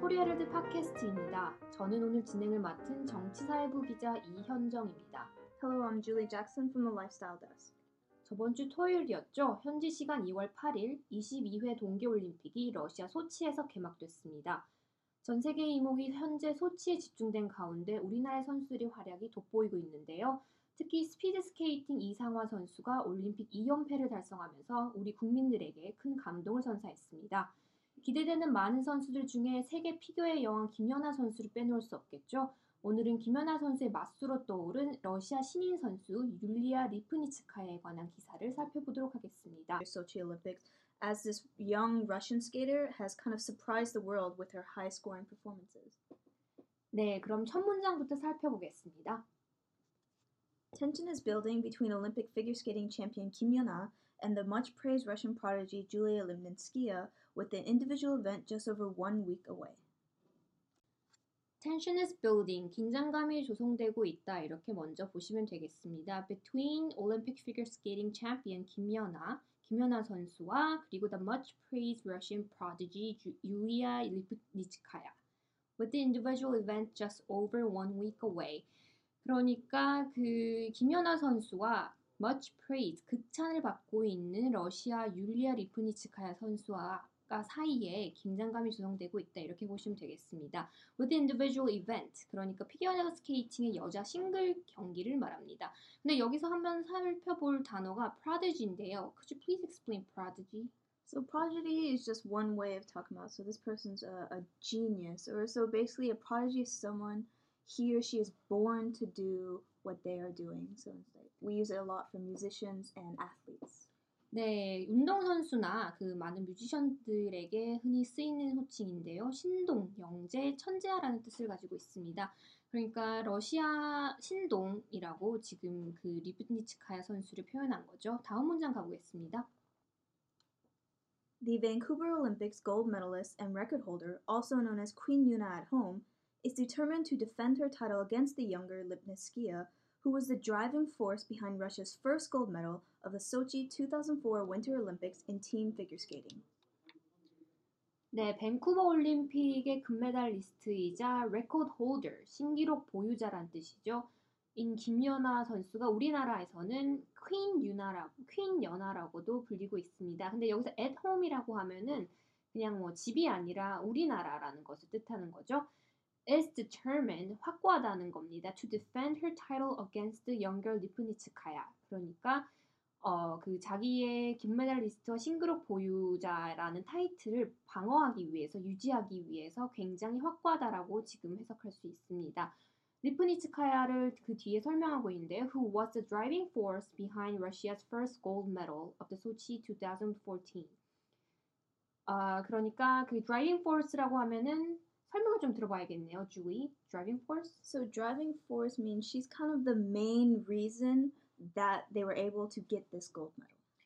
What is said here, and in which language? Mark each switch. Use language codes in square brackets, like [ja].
[ko] 코리아를드 팟캐스트입니다. 저는 오늘 진행을 맡은 정치사회부 기자 이현정입니다. [en] Hello, I'm Julie Jackson from the Lifestyle Desk. [ko] 저번 주 토요일이었죠? 현지 시간 2월 8일 22회 동계올림픽이 러시아 소치에서 개막됐습니다. 전 세계의 이목이 현재 소치에 집중된 가운데 우리나라 선수들의 활약이 돋보이고 있는데요. 특히 스피드스케이팅 이상화 선수가 올림픽 2연패를 달성하면서 우리 국민들에게 큰 감동을 선사했습니다. 기대되는 많은 선수들 중에 세계 피겨의 여왕 김연아 선수를 빼놓을 수 없겠죠. 오늘은 김연아 선수의 맞수로 떠오른 러시아 신인 선수 율리아 리프니츠카에 관한 기사를 살펴보도록 하겠습니다. [en] Sochi Olympics, as this young Russian skater has kind of surprised the world with her high scoring performances. [ko] 네, 그럼 첫 문장부터 살펴보겠습니다. [en] Tension is building between Olympic figure skating champion Kim Yona and the much-praised Russian prodigy Julia Lipnitskaya with the individual event just over 1 week away. Tension is building. [ko] 긴장감이 조성되고 있다. 이렇게 먼저 보시면 되겠습니다. [en] Between Olympic figure skating champion Kim Yona, [ko] 김연아 선수와 그리고 [en] the much-praised Russian prodigy Julia Lipnitskaya with the individual event just over 1 week away. [ko] 그러니까 그 김연아 선수와 much praise, 극찬을 받고 있는 러시아 율리아 리프니츠카야 선수와 사이에 긴장감이 조성되고 있다. 이렇게 보시면 되겠습니다. [en] With the individual event, [ko] 그러니까 피겨 스케이팅의 여자 싱글 경기를 말합니다. 근데 여기서 한번 살펴볼 단어가 prodigy인데요. [en] Could you please explain prodigy? So prodigy is just one way of talking about. So this person's a genius. Or so basically a prodigy is someone he or she is born to do what they are doing. So it's like we use it a lot for musicians and athletes. [ko] 네, 운동선수나 그 많은 뮤지션들에게 흔히 쓰이는 호칭인데요. 신동, 영재, 천재라는 뜻을 가지고 있습니다. 그러니까 러시아 신동이라고 지금 그 리프니츠카야 선수를 표현한 거죠. 다음 문장 가보겠습니다. [en] The Vancouver Olympics gold medalist and record holder, also known as Queen Yuna at home, is determined to defend her title against the younger Lipnitskaya, who was the driving force behind Russia's first gold medal of the Sochi 2004 Winter Olympics in team figure skating. [ko] 네, 밴쿠버 올림픽의 금메달리스트이자 record holder, 신기록 보유자란 뜻이죠. 인 김연아 선수가 우리나라에서는 Queen Yuna라고, Queen 연아라고도 불리고 있습니다. 근데 여기서 at home이라고 하면은 그냥 뭐 집이 아니라 우리나라라는 것을 뜻하는 거죠. [en] is determined, [ko] 확고하다는 겁니다. [en] to defend her title against the younger Lipnitskaya. [ko] 그러니까 그 자기의 금메달리스트와 싱글록 보유자라는 타이틀을 방어하기 위해서, 유지하기 위해서 굉장히 확고하다라고 지금 해석할 수 있습니다. [en] Lipnitskaya를 [ko] 그 뒤에 설명하고 있는데 [en] who was the driving force behind Russia's first gold medal of the Sochi 2014. [ko] 그러니까 그 driving force라고 하면은 설명을 좀 들어봐야겠네요, Julie. Driving force? [en] So driving force means she's kind of the main reason that they were able to get this gold medal.